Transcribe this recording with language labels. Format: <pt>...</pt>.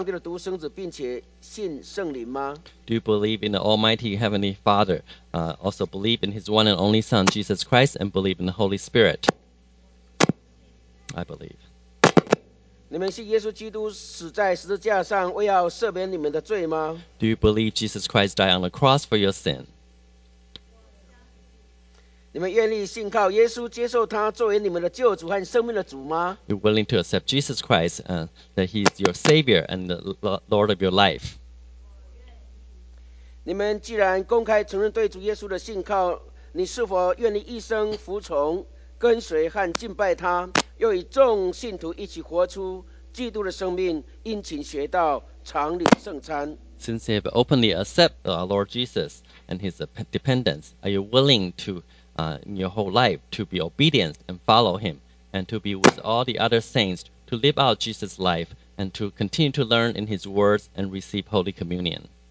<en>Do you believe in the Almighty Heavenly Father? Also believe in His one and only Son, Jesus Christ, and believe in the Holy Spirit? I believe.</en> <zh>你们信耶稣基督死在十字架上为要赦免你们的罪吗?</zh> <en>Do you believe Jesus Christ died on the cross for your sin?</en> <zh>你们愿意信靠耶稣接受他作为你们的救主和生命的主吗?</zh> <en>You're willing to accept Jesus Christ, that He's your Savior and the Lord of your life.</en> <zh>你们既然公开承认对主耶稣的信靠, 你是否愿意一生服从, 跟随和敬拜他, 又与众信徒一起活出, 基督的生命, 殷勤学道, 常领圣餐?</zh> <en>Since they have openly accepted our Lord Jesus and His dependence, are you willing to in your whole life to be obedient and follow Him and to be with all the other saints to live out Jesus' life and to continue to learn in His words and receive Holy Communion?</en>